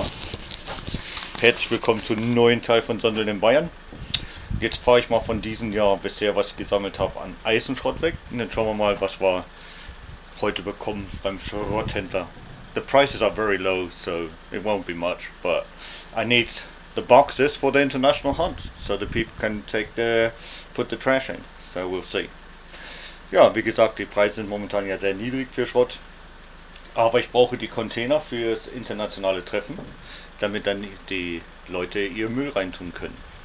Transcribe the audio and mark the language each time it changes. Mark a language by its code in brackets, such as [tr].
[de] Herzlich willkommen zu einem neuen Teil von Sondeln in Bayern. Jetzt fahre ich mal von diesem Jahr bisher, was ich gesammelt habe, an Eisenschrott weg. Und dann schauen wir mal, was wir heute bekommen beim Schrotthändler. [en] The prices are very low, so it won't be much, but I need the boxes for the international hunt, so the people can put the trash in. So we'll see. [de] Ja, wie gesagt, die Preise sind momentan ja sehr niedrig für Schrott. Aber ich brauche die Container fürs internationale Treffen, damit dann die Leute ihr Müll reintun können.